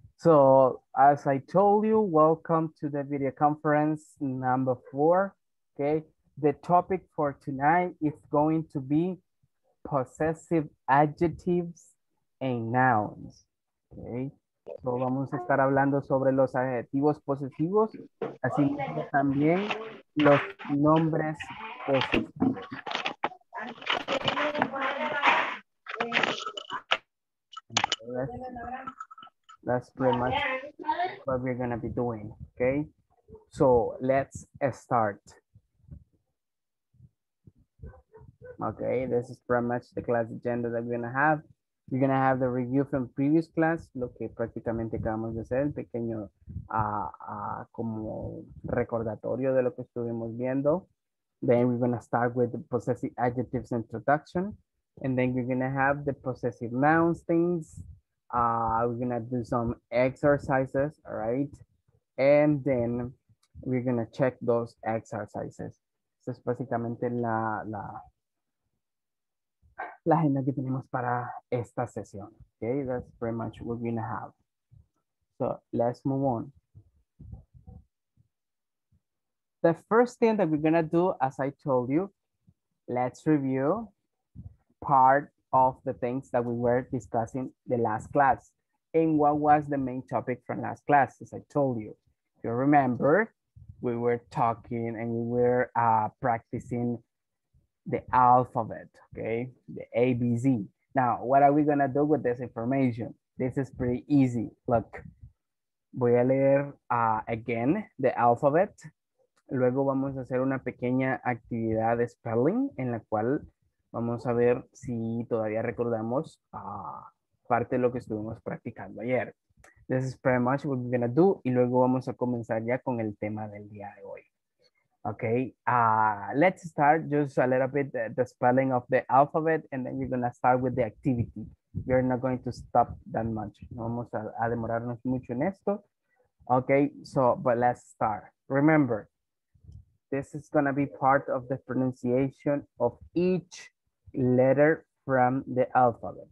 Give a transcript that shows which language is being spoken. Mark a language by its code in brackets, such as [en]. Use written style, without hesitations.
[en] So as I told you, welcome to the video conference number 4. Okay. The topic for tonight is going to be possessive adjectives and nouns. Okay. [es] So vamos a estar hablando sobre los adjetivos posesivos, así como también los nombres posesivos. [en] That's pretty much what we're going to be doing, okay? So let's start. Okay, this is pretty much the class agenda that we're going to have. You're going to have the review from previous class, [es] lo que prácticamente acabamos de hacer, el pequeño como recordatorio de lo que estuvimos viendo. [en] Then we're going to start with the possessive adjectives introduction. And then you're going to have the possessive nouns things. We're going to do some exercises, all right? And then we're going to check those exercises. [es] Esa es básicamente la agenda que tenemos para esta sesión. [en] Okay, that's pretty much what we're going to have. So let's move on. The first thing that we're going to do, as I told you, let's review part of the things that we were discussing the last class. And what was the main topic from last class, as I told you. If you remember, we were talking and we were practicing the alphabet, okay? The ABC. Now, what are we gonna do with this information? This is pretty easy. Look, [es] voy a leer [en] again the alphabet. [es] Luego vamos a hacer una pequeña actividad de spelling en la cual vamos a ver si todavía recordamos parte de lo que estuvimos practicando ayer. [en] This is pretty much what we're going to do. [es] Y luego vamos a comenzar ya con el tema del día de hoy. [en] Okay, let's start just a little bit the spelling of the alphabet. And then you're going to start with the activity. You're not going to stop that much. [es] No vamos a demorarnos mucho en esto. [en] Okay, so, but let's start. Remember, this is going to be part of the pronunciation of each letter from the alphabet.